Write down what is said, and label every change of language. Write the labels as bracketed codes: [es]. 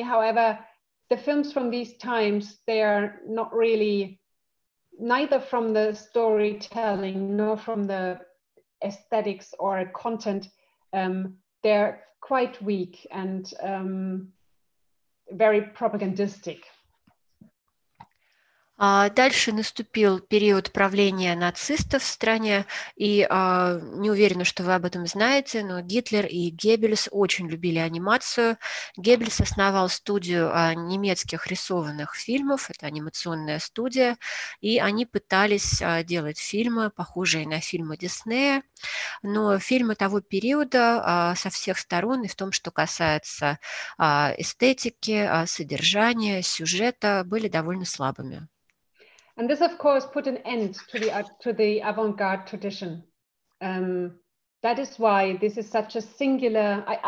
[en] However, the films from these times, they are not really, neither from the storytelling nor from the aesthetics or content, they're quite weak and very propagandistic. [ru] Дальше наступил период правления нацистов в стране, и не уверена, что вы об этом знаете, но Гитлер и Геббельс очень любили анимацию. Геббельс основал студию немецких рисованных фильмов, это анимационная студия, и они пытались делать фильмы, похожие на фильмы Диснея, но фильмы того периода со всех сторон, и в том, что касается эстетики, содержания, сюжета, были довольно слабыми. [en] And this, of course, put an end to the avant-garde tradition. That is why this is such a singular.